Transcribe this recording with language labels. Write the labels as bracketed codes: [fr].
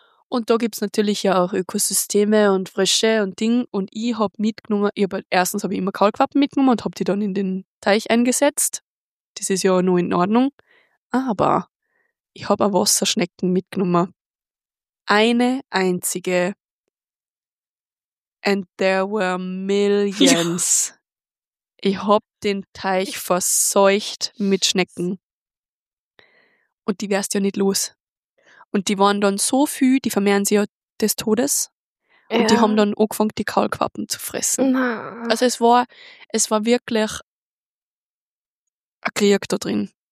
[de] Und da gibt es natürlich ja auch Ökosysteme und Frösche und Ding. Und ich habe mitgenommen, habe ich immer Kaulquappen mitgenommen und habe die dann in den Teich eingesetzt. Das ist ja nur in Ordnung. Aber ich habe eine Wasserschnecken mitgenommen. Eine einzige. [en] And there were millions. [de] Ja. Ich habe den Teich verseucht mit Schnecken. Und die wärst ja nicht los. Und die waren dann so viel, die vermehren sich ja des Todes. Und die haben dann angefangen, die Kaulquappen zu fressen. Na. Also es war wirklich ein Krieg da drin.